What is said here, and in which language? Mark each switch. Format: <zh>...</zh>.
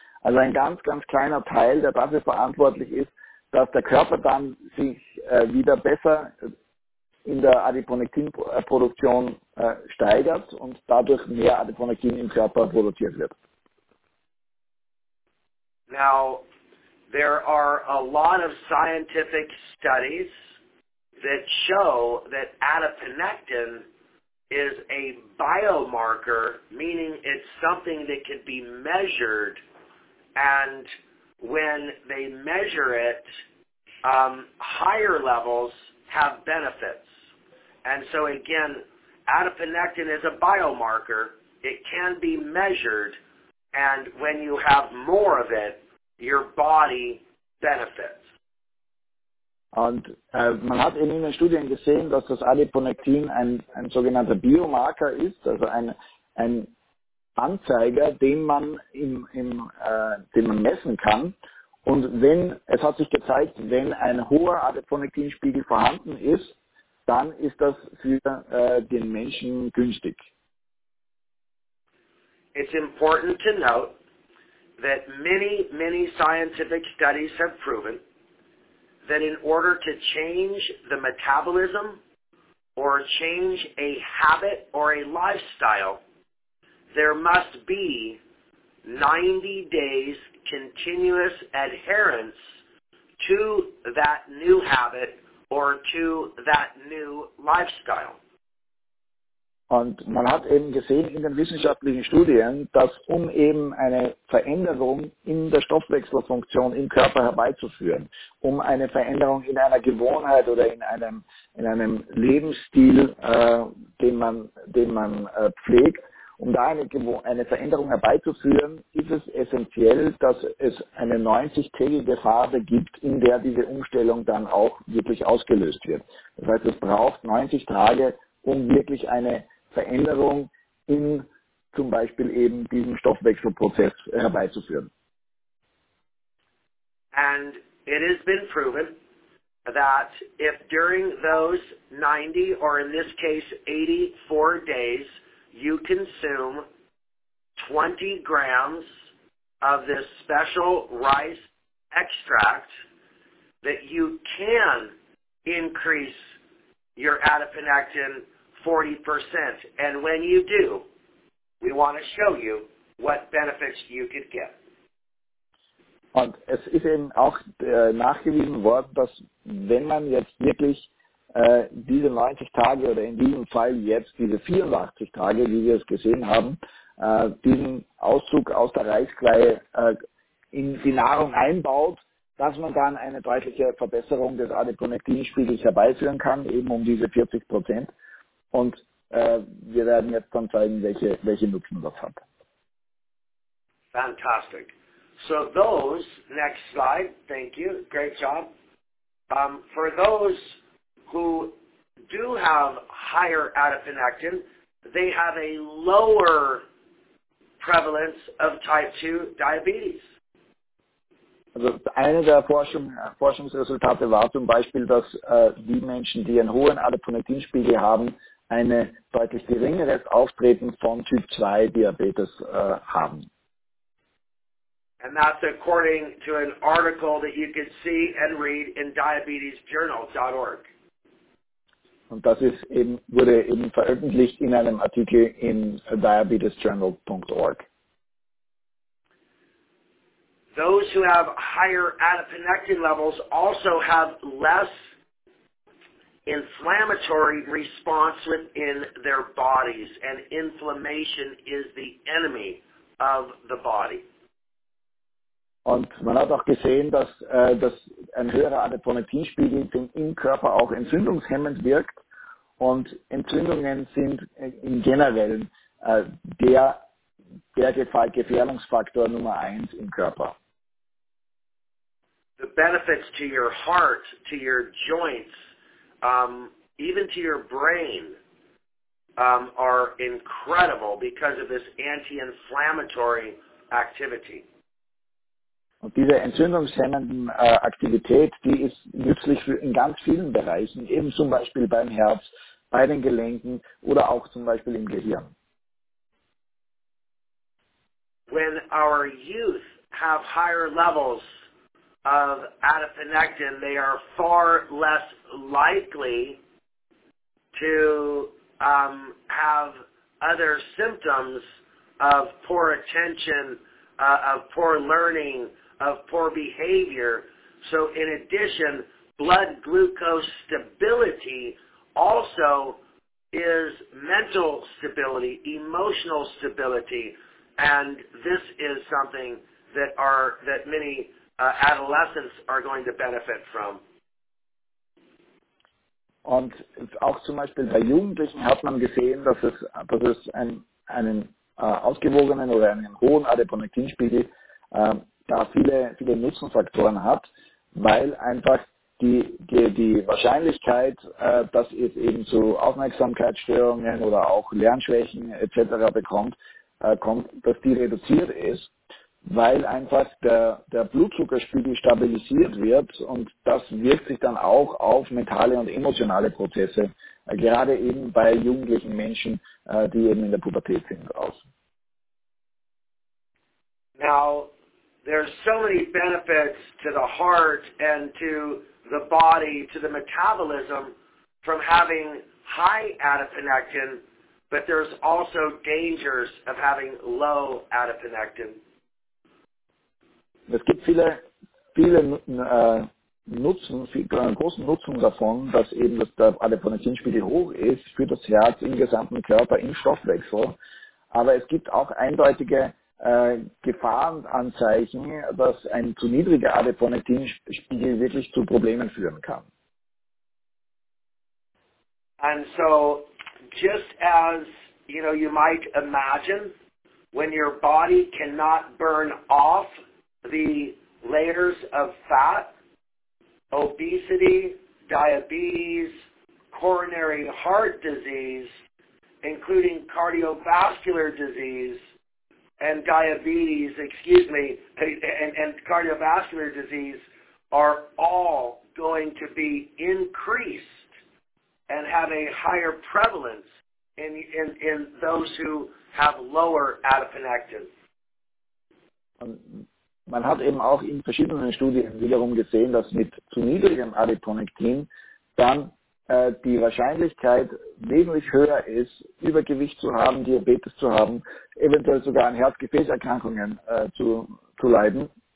<de>Also ein ganz, ganz kleiner Teil, der dafür verantwortlich ist, dass der Körper dann sich wieder besser in der Adiponektinproduktion steigert und dadurch mehr Adiponektin im Körper produziert wird.</de> <en>Now, there are a lot of scientific studies that show that adiponectin is a biomarker, meaning it's something that could be measured, and when they measure it, higher levels have benefits. And so again, adiponectin is a biomarker. It can be measured, and when you have more of it, your body benefits.</en> <de>Und man hat in den Studien gesehen, dass das Adiponektin ein sogenannter Biomarker ist, also ein Anzeiger, den man den man messen kann. Und wenn, es hat sich gezeigt, wenn ein hoher Adiponektinspiegel vorhanden ist, dann ist das für den Menschen günstig.</de> <en>It's important to note that many, many scientific studies have proven that in order to change the metabolism or change a habit or a lifestyle, there must be 90 days continuous adherence to that new habit or to that new lifestyle.</en> <de>Und man hat eben gesehen in den wissenschaftlichen Studien, dass um eben eine Veränderung in der Stoffwechselfunktion im Körper herbeizuführen, um eine Veränderung in einer Gewohnheit oder in einem Lebensstil, den man pflegt, um da eine Veränderung herbeizuführen, ist es essentiell, dass es eine 90-tägige Phase gibt, in der diese Umstellung dann auch wirklich ausgelöst wird. Das heißt, es braucht 90 Tage, um wirklich eine Veränderung in zum Beispiel eben diesem Stoffwechselprozess herbeizuführen.</de> <en>And it has been proven that if during those 90 or in this case 84 days you consume 20 grams of this special rice extract, that you can increase your adiponectin 40%. And when you do, we want to show you what benefits you could get.</en> <de>Und es ist eben auch nachgewiesen worden, dass wenn man jetzt wirklich diese 90 Tage oder in diesem Fall jetzt diese 84 Tage, wie wir es gesehen haben, diesen Auszug aus der Reiskleie in die Nahrung einbaut, dass man dann eine deutliche Verbesserung des Adiponektinspiegels herbeiführen kann, eben um diese 40%. Und wir werden jetzt dann zeigen, welche Nutzen das hat.</de> <en>Fantastic. So those, next slide, thank you, great job. For those who do have higher adiponectin, they have a lower prevalence of type 2 diabetes.</en> <de>Also eine der Forschungsresultate war zum Beispiel, dass die Menschen, die einen hohen Adiponektinspiegel haben, eine deutlich geringeres Auftreten von Typ 2 Diabetes haben.</de> <en>And that's according to an article that you can see and read in diabetesjournal.org.</en> <de>Und das ist eben, wurde eben veröffentlicht in einem Artikel in diabetesjournal.org.</de> <en>Those who have higher adiponectin levels also have less inflammatory response within their bodies, and inflammation is the enemy of the body.</en> <de>Und man hat auch gesehen, dass ein höherer Adiponektinspiegel im Körper auch entzündungshemmend wirkt. Und Entzündungen sind im Generellen der Gefährdungsfaktor Nummer 1 im Körper.</de> <en>The benefits to your heart, to your joints, even to your brain are incredible because of this anti-inflammatory activity.</en> <de>Und diese entzündungshemmenden Aktivität, die ist nützlich in ganz vielen Bereichen, eben zum Beispiel beim Herz, bei den Gelenken oder auch zum Beispiel im Gehirn.</de> <en>When our youth have higher levels of adiponectin, they are far less likely to have other symptoms of poor attention, of poor learning, of poor behavior. So in addition, blood glucose stability also is mental stability, emotional stability, and this is something that many adolescents are going to benefit from.</en> <de>Und auch zum Beispiel bei Jugendlichen hat man gesehen, dass es einen ausgewogenen oder einen hohen Adiponektinspiegel da viele Nutzenfaktoren hat, weil einfach die Wahrscheinlichkeit, dass es eben zu Aufmerksamkeitsstörungen oder auch Lernschwächen etc. kommt, dass die reduziert ist, weil einfach der Blutzuckerspiegel stabilisiert wird, und das wirkt sich dann auch auf mentale und emotionale Prozesse, gerade eben bei jugendlichen Menschen, die eben in der Pubertät sind, aus.</de> <en>Now, there's so many benefits to the heart and to the body, to the metabolism from having high adiponectin, but there's also dangers of having low adiponectin.</en> <de>Es gibt großen Nutzen davon, dass eben der Adiponektinspiegel hoch ist für das Herz im gesamten Körper, im Stoffwechsel. Aber es gibt auch eindeutige Gefahrenanzeichen, dass ein zu niedriger Adiponektinspiegel wirklich zu Problemen führen kann.</de> <en>And so, just as, you know, you might imagine, when your body cannot burn off the layers of fat, obesity, diabetes, coronary heart disease, including cardiovascular disease and diabetes, and cardiovascular disease are all going to be increased and have a higher prevalence in those who have lower adiponectin.</en> <de>Man hat eben auch in verschiedenen Studien wiederum gesehen, dass mit zu niedrigem Adiponektin dann die Wahrscheinlichkeit wesentlich höher ist, Übergewicht zu haben, Diabetes zu haben, eventuell sogar an Herz-Gefäß-Erkrankungen zu leiden.</de>